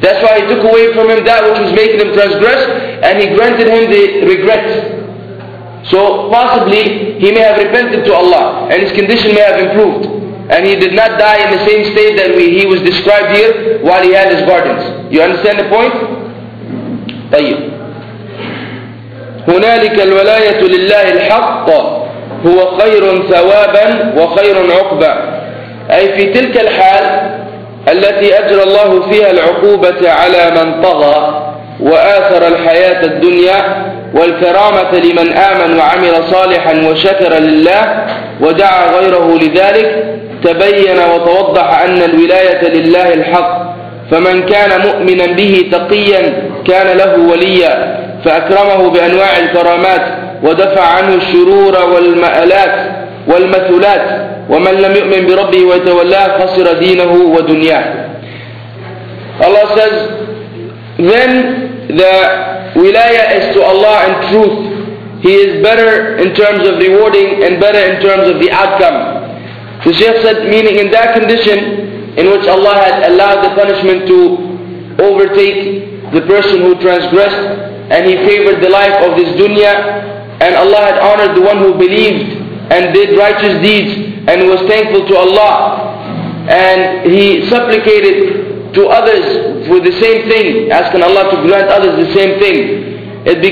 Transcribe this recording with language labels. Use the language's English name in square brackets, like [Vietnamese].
[English] That's why he took away from him that which was making him transgress, and he granted him the regret. So possibly he may have repented to Allah and his condition may have improved, and he did not die in the same state that he was described here while he had his gardens. You understand the point? [Arabic] طيب هنالك الولاية لله الحق هو خير ثوابا وخير عقبا. أي في تلك الحال التي أجر الله فيها العقوبة على من طغى وآثر الحياة الدنيا والكرامة لمن آمن وعمل صالحا وشكر لله ودعا غيره لذلك، تبين وتوضح أن الولاية لله الحق، فمن كان مؤمنا به تقيا كان له وليا فأكرمه بأنواع الكرامات ودفع عنه الشرور والمآلات والمثلات، ومن لم يؤمن بربه ويتولاه خسر دينه ودنياه. [English] Allah says, then the wilaya is to Allah in truth. He is better in terms of rewarding and better in terms of the outcome. The Shaykh said, meaning in that condition in which Allah had allowed the punishment to overtake the person who transgressed, and he favored the life of this dunya, and Allah had honored the one who believed and did righteous deeds and was thankful to Allah, and he supplicated to others for the same thing, asking Allah to grant others the same thing.